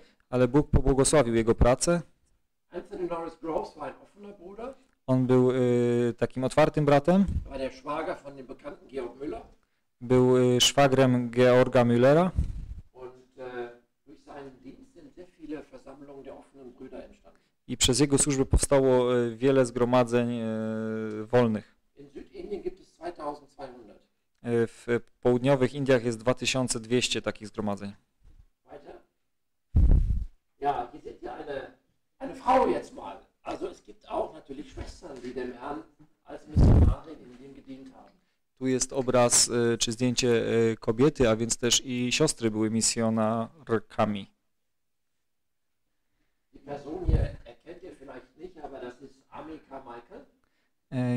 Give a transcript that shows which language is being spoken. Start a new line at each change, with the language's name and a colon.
Polish: ale Bóg pobłogosławił jego pracę.
German: Anthony Norris Groves war ein offener Bruder.
Polish: On był takim otwartym bratem.
German: War der Schwager von dem bekannten Georg Müller.
Polish: Był szwagrem Georga Müllera.
German: Und durch seinen Dienst sind sehr viele Versammlungen der offenen Brüder entstanden.
Polish: I przez jego służbę powstało wiele zgromadzeń wolnych.
German: In Südindien gibt es 2200.
Polish: W południowych Indiach jest 2200 takich zgromadzeń.
German: Weiter. Ja, hier seht ihr eine Frau jetzt mal. Also es gibt auch natürlich Schwestern, die dem Herrn als Missionarin in dem gedient haben.
Polish: Tu jest obraz czy zdjęcie kobiety, a więc też i siostry były misjonarkami.
German: Die Person hier erkennt ihr vielleicht nicht, aber das ist Ami Carmichael.